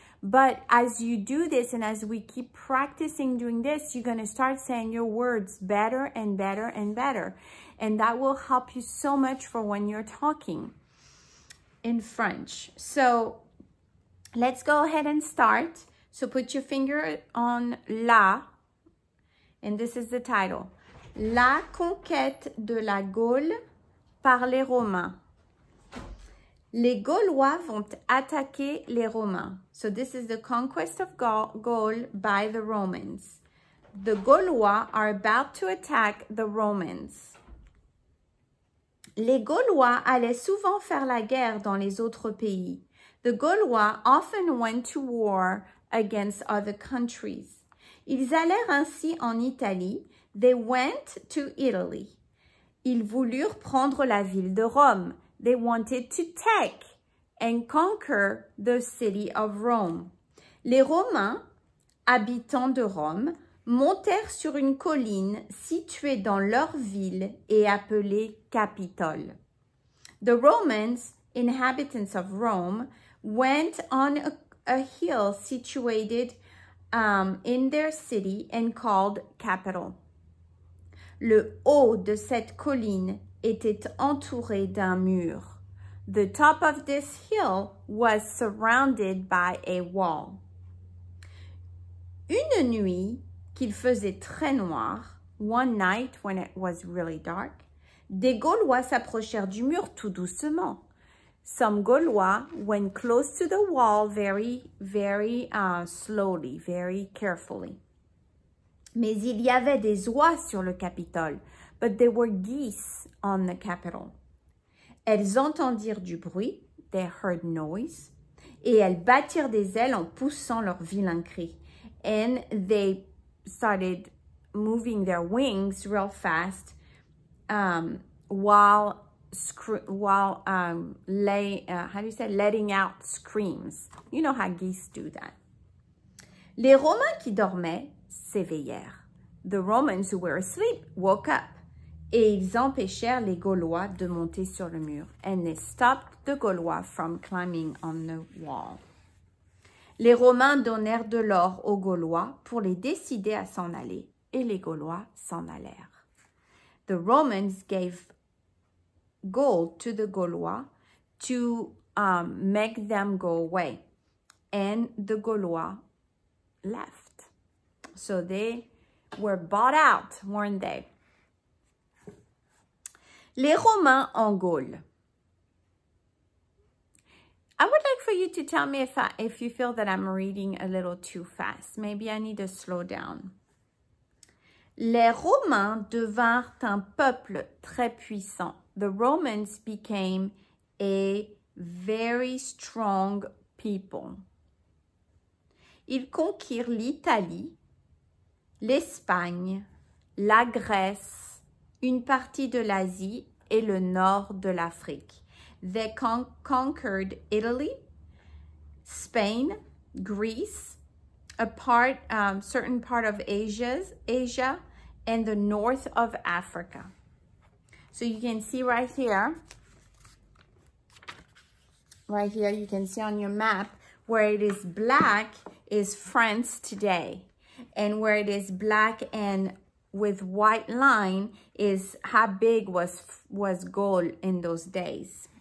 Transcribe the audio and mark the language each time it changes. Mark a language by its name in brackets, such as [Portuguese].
[English] But as you do this and as we keep practicing doing this, you're going to start saying your words better and better and better. And that will help you so much for when you're talking in French. So let's go ahead and start. So put your finger on la, and this is the title. [French] La conquête de la Gaule par les Romains. Les Gaulois vont attaquer les Romains. [English] So this is the conquest of Gaul by the Romans. The Gaulois are about to attack the Romans. [French] Les Gaulois allaient souvent faire la guerre dans les autres pays. [English] The Gaulois often went to war against other countries. [French] Ils allèrent ainsi en Italie. [English] They went to Italy. [French] Ils voulurent prendre la ville de Rome. [English] They wanted to take and conquer the city of Rome. [French] Les Romains, habitants de Rome, montèrent sur une colline située dans leur ville et appelée Capitole. [English] The Romans, inhabitants of Rome, went on a hill situated in their city and called Capitol. [French] Le haut de cette colline était entouré d'un mur. [English] The top of this hill was surrounded by a wall. [French] Une nuit qu'il faisait très noir, [English] one night when it was really dark, [French] des Gaulois s'approchèrent du mur tout doucement. [English] Some Gaulois went close to the wall very, very slowly, very carefully. [French] Mais il y avait des oies sur le Capitole. [English] But there were geese on the Capitol. [French] Elles entendirent du bruit, [English] they heard noise, [French] et elles battirent des ailes en poussant leur vilain cri. [English] And they started moving their wings real fast letting out screams. You know how geese do that. [French] Les Romains qui dormaient s'éveillèrent. [English] The Romans who were asleep woke up. [French] Et ils empêchèrent les Gaulois de monter sur le mur. [English] And they stopped the Gaulois from climbing on the wall. [French] Les Romains donnèrent de l'or aux Gaulois pour les décider à s'en aller. Et les Gaulois s'en allèrent. [English] The Romans gave gold to the Gaulois to make them go away. And the Gaulois left. So they were bought out, weren't they? [French] Les Romains en Gaule. [English] I would like for you to tell me if you feel that I'm reading a little too fast. Maybe I need to slow down. [French] Les Romains devinrent un peuple très puissant. [English] The Romans became a very strong people. [French] Ils conquirent l'Italie, l'Espagne, la Grèce, une partie de l'Asie et le nord de l'Afrique. [English] They conquered Italy, Spain, Greece, certain part of Asia, and the north of Africa. So you can see right here you can see on your map where it is black is France today, and where it is black and with white line is how big was Gaul in those days.